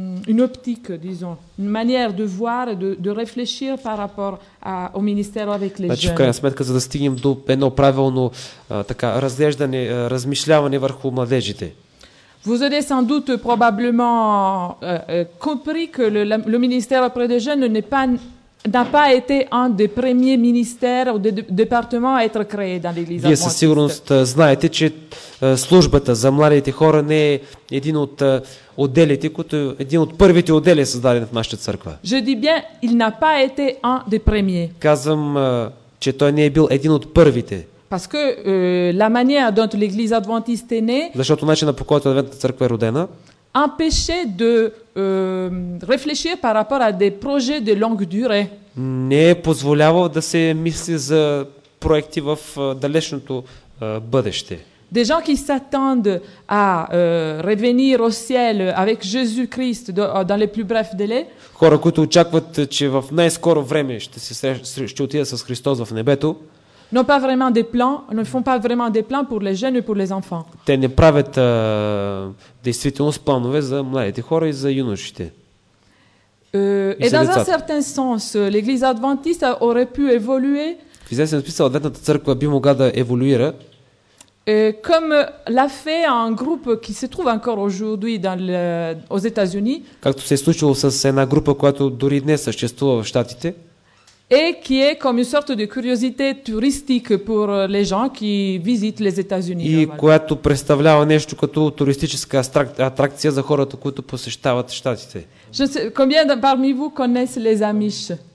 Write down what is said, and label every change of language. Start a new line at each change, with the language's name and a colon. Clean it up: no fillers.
French: Une optique, disons, une manière de voir et de réfléchir par rapport au ministère avec les jeunes.
Bulgarian: В крайна сметка, за да стигнем до едно правилно разглеждане, размишляване върху младежите.
French: Vous avez sans doute probablement compris que le ministère auprès des jeunes n'a pas été un des premiers ministères ou des départements à être créé dans l'église adventiste.
Bulgarian: Вие със сигурност знаете, че службата за младите хора не е един от отделите, които един от първите отдели е създаден в нашата църква.
French: Je dis bien, il n'a pas été un des premiers.
Bulgarian: Казвам, че той не е бил един от първите.
French: Parce que la manière dont l'église adventiste est née.
Bulgarian: Защото начинът, по който Адвентната църква е родена,
French: empêchait de réfléchir par rapport à des projets de longue durée.
Bulgarian: Не е позволявал да се мисли за проекти в далечното бъдеще.
French: Des gens qui s'attendent à revenir au ciel avec Jésus-Christ dans les plus brefs délais.
Bulgarian: Хора, които очакват, че в най-скоро време ще отидат с Христос в небето.
French: N'ont pas vraiment des plans, ne font pas vraiment des plans pour les jeunes et pour les enfants.
Bulgarian: Те не правят действително планове за младите хора и за юношите.
French: Et dans un certain sens, l'église adventiste aurait pu évoluer.
Bulgarian: В известен смисъл, Адвентната църква би могла да еволюира.
French: Comme l'a fait un groupe qui se trouve encore aujourd'hui aux États-Unis.
Bulgarian: Както се е случило с една група, която дори днес съществува в Щатите.
French: Et qui est comme une sorte de curiosité touristique pour les gens qui visitent les États-Unis.
Bulgarian: И която представлява нещо като туристическа атракция за хората, които посещават Щатите.
French: Je sais, combien parmi vous connaissent les Amish?